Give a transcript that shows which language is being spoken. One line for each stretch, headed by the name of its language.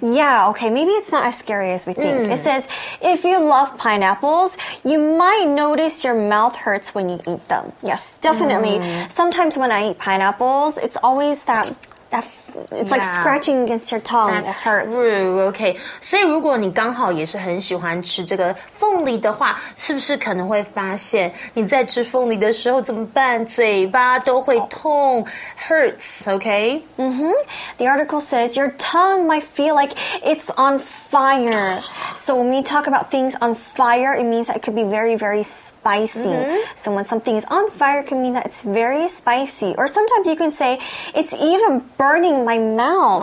English: Yeah, okay. Maybe it's not as scary as we think.、Mm. It says, if you love pineapples, you might notice your mouth hurts when you eat them. Yes, definitely.、Mm. Sometimes when I eat pineapples, it's always that it's、yeah. like scratching against your tongue. That's it hurts. True, okay.
Chinese: 所以如果你刚好也是很喜欢吃这个凤梨的话，是不是可能会发现你在吃凤梨的时候怎么办？嘴巴都会痛、
English: oh. hurts, okay? Mm-hmm. The article says, your tongue might feel like it's on fire. So when we talk about things on fire, it means that it could be very, very spicy.、Mm-hmm. So when something is on fire, it can mean that it's very spicy. Or sometimes you can say, it's even burning my mouth.